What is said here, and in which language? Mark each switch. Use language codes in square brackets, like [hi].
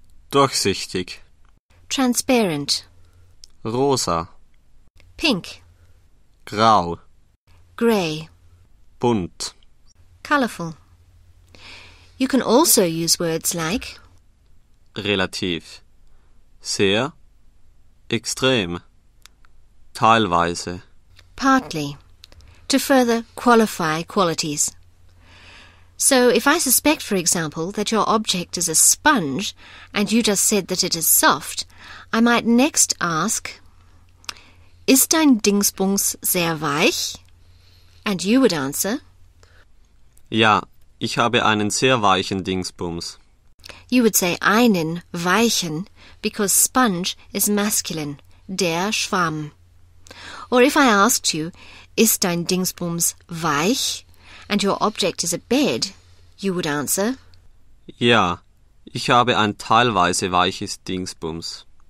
[de] Durchsichtig. [en] Transparent. [de] Rosa. [en] Pink. [de] Grau. [en] Grey. [de] Bunt. [en] Colourful. You can also use words like [de] relativ, sehr, extrem, teilweise, [en] partly, to further qualify qualities. So, if I suspect, for example, that your object is a sponge and you just said that it is soft, I might next ask, [de] Ist dein Dingsbums sehr weich? [en] And you would answer, [de] Ja, ich habe einen sehr weichen Dingsbums. [en] You would say einen weichen because sponge is masculine, der Schwamm. Or if I asked you, [de] Ist dein Dingsbums weich? [en] And your object is a bed, you would answer, [de] Ja, ich habe ein teilweise weiches Dingsbums.